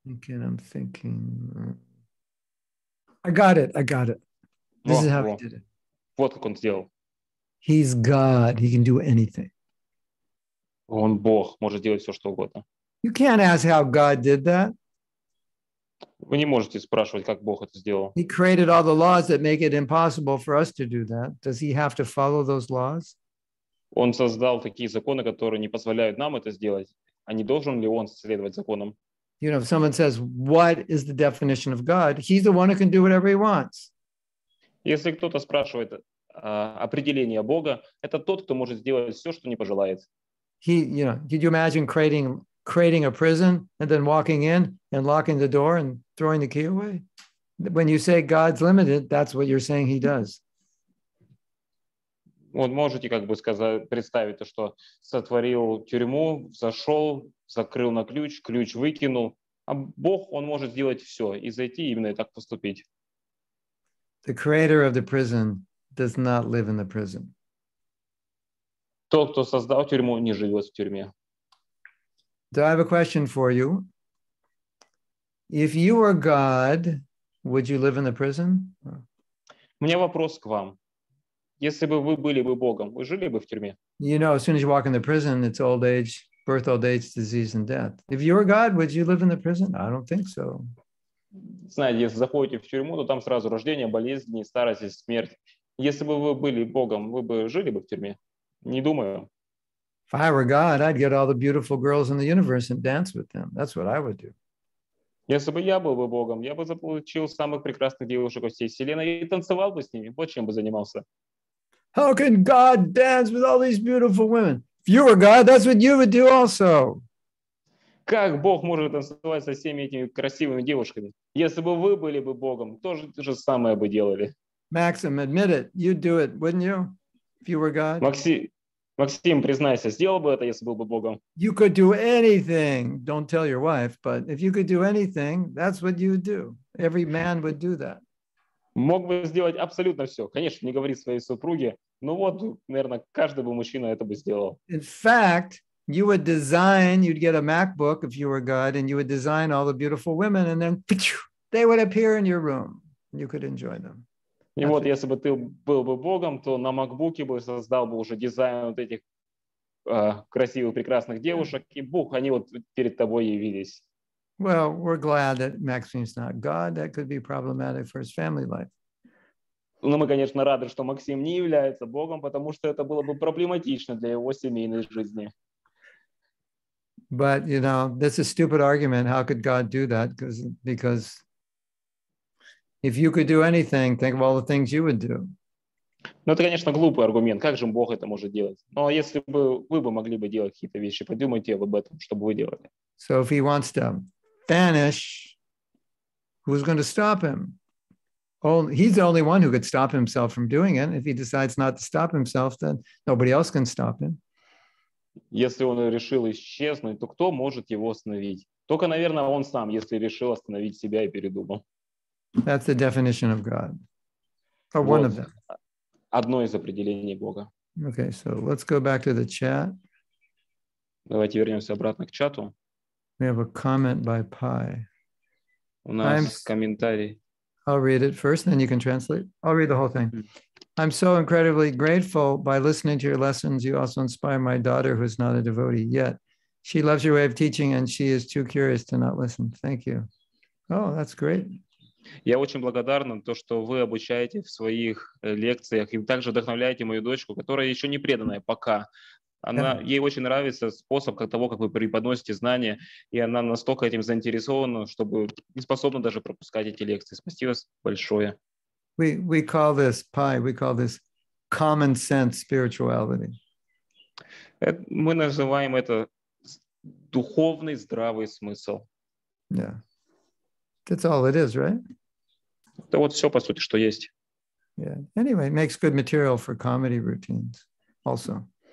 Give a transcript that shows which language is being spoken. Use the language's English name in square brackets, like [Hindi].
[English] Thinking, I'm thinking. I got it. This is how he did it. [Russian] Вот как он сделал. [English] He's God, he can do anything. [Russian] Он Бог, может делать все, что угодно. [English] You can't ask how God did that. [Russian] Вы не можете спрашивать, как Бог это сделал. [English] He created all the laws that make it impossible for us to do that. Does he have to follow those laws? [Russian] Он создал такие законы, которые не позволяют нам это сделать. А не должен ли он следовать законам? [English] You know, if someone says, what is the definition of God? He's the one who can do whatever he wants. [Russian] Если кто-то спрашивает определение Бога, это тот, кто может сделать все, что не пожелает. [English] He, you know, could you imagine creating a prison and then walking in and locking the door and throwing the key away? When you say God's limited, that's what you're saying he does. [Russian] Вот можете как бы сказать, представить то, что сотворил тюрьму, зашел, закрыл на ключ, ключ выкинул. А Бог, он может сделать все и зайти именно и так поступить. [English] The creator of the prison does not live in the prison. [Russian] Тот, кто создал тюрьму, не живет в тюрьме. [English] Do I have a question for you? If you were God, would you live in the prison? [Russian] У меня вопрос к вам. Если бы вы были бы Богом, вы жили бы в тюрьме? [English] You know, as soon as you walk in the prison, it's old age, birth, old age, disease, and death. If you were God, would you live in the prison? I don't think so. [Russian] Знаете, если заходите в тюрьму, то там сразу рождение, болезни, старость и смерть. Если бы вы были Богом, вы бы жили бы в тюрьме? Не думаю. [English] If I were God, I'd get all the beautiful girls in the universe and dance with them. That's what I would do. [Russian] Если бы я был бы Богом, я бы заполучил самых прекрасных девушек всей вселенной и танцевал бы с ними. Вот чем бы занимался. [English] How can God dance with all these beautiful women? If you were God, that's what you would do also. [Russian] Как Бог может танцевать со всеми этими красивыми девушками? Если бы вы были бы Богом, тоже то же самое бы делали. [English] Maxim, admit it. You'd do it, wouldn't you? If you were God. [Russian] Максим, признайся, сделал бы это, если был бы Богом? [English] You could do anything. Don't tell your wife, but if you could do anything, that's what you'd do. Every man would do that. [Russian] Мог бы сделать абсолютно все. Конечно, не говори своей супруге, но вот, наверное, каждый бы мужчина это бы сделал. [English] In fact, you would design, you'd get a MacBook if you were God, and you would design all the beautiful women, and then they would appear in your room. You could enjoy them. [Russian] И вот, если бы ты был бы Богом, то на макбуке бы создал бы уже дизайн вот этих красивых, прекрасных девушек, и бух, они вот перед тобой явились. [English] Well, we're glad that Maxim's not God. That could be problematic for his family life. [Russian] Ну, мы, конечно, рады, что Максим не является Богом, потому что это было бы проблематично для его семейной жизни. [English] But, you know, that's a stupid argument. How could God do that? Because... If you could do anything, think of all the things you would do. [Russian] Ну, это, конечно, глупый аргумент. Как же Бог это может делать? Но если бы вы бы могли бы делать какие-то вещи, подумайте об этом, что бы вы делали. [English] So if he wants to vanish, who's going to stop him? He's the only one who could stop himself from doing it. If he decides not to stop himself, then nobody else can stop him. [Russian] Если он решил исчезнуть, то кто может его остановить? Только, наверное, он сам, если решил остановить себя и передумал. [English] That's the definition of God. Or one of them. [Russian] Одно из определений Бога. [English] Okay, so let's go back to the chat. [Russian] Давайте вернемся обратно к чату. [English] We have a comment by Pi. [Russian] У нас комментарий. [English] I'll read it first, then you can translate. I'll read the whole thing. I'm so incredibly grateful. By listening to your lessons, you also inspire my daughter, who's not a devotee yet. She loves your way of teaching, and she is too curious to not listen. Thank you. Oh, that's great. [Russian] Я очень благодарна то, что вы обучаете в своих лекциях и также вдохновляете мою дочку, которая еще не преданная пока. Она, ей очень нравится способ как того, как вы преподносите знания, и она настолько этим заинтересована, чтобы не способна даже пропускать эти лекции. Спасибо большое. [English] We call this pi, we call this common sense spirituality. [Russian] Мы называем это духовный здравый смысл. [English] Yeah. That's all it is, right? [Russian] Это вот все, по сути, что есть. [English] Yeah. Anyway, it makes good material for comedy routines also.